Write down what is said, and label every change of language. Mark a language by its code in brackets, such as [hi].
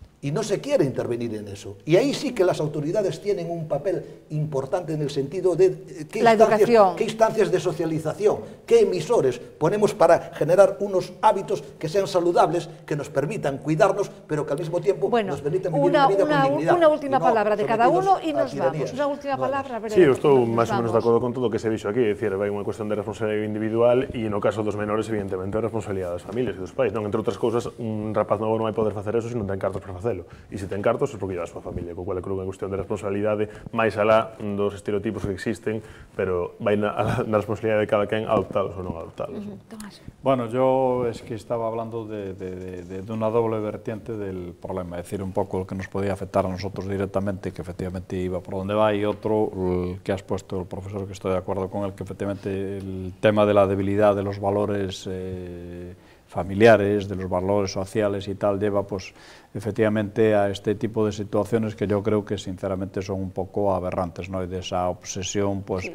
[es] Y no se quiere intervenir en eso. Y ahí sí que las autoridades tienen un papel importante en el sentido de qué instancias de socialización, qué emisores ponemos para generar unos hábitos que sean saludables, que nos permitan cuidarnos, pero que al mismo tiempo nos permitan vivir una vida con dignidad. Una última palabra de cada uno y nos vamos. Una última palabra. Sí, estoy más o menos de acuerdo con todo lo que se ha dicho aquí. Es decir, hay una cuestión de responsabilidad individual y en el caso de los menores, evidentemente, responsabilidad de las familias y de los padres. Entre otras cosas, un rapaz nuevo no va a poder hacer eso si no tiene cartas para hacer. modelo. [gl] E se ten cartos é porque lleva a súa familia, con cual creo que é cuestión de responsabilidade, máis alá dos estereotipos que existen, pero vai na responsabilidade de cada quen adoptálos ou non adoptálos. Tomás. [es] Bueno, yo es que estaba hablando de una doble vertiente del problema, es decir, un poco el que nos podía afectar a nosotros directamente, que efectivamente iba por donde va, y otro, que has puesto el profesor, que estoy de acuerdo con él, que efectivamente el tema de la debilidad de los valores familiares, de los valores sociales y tal, lleva pues efectivamente a este tipo de situaciones que yo creo que sinceramente son un poco aberrantes, ¿no? Y de esa obsesión pues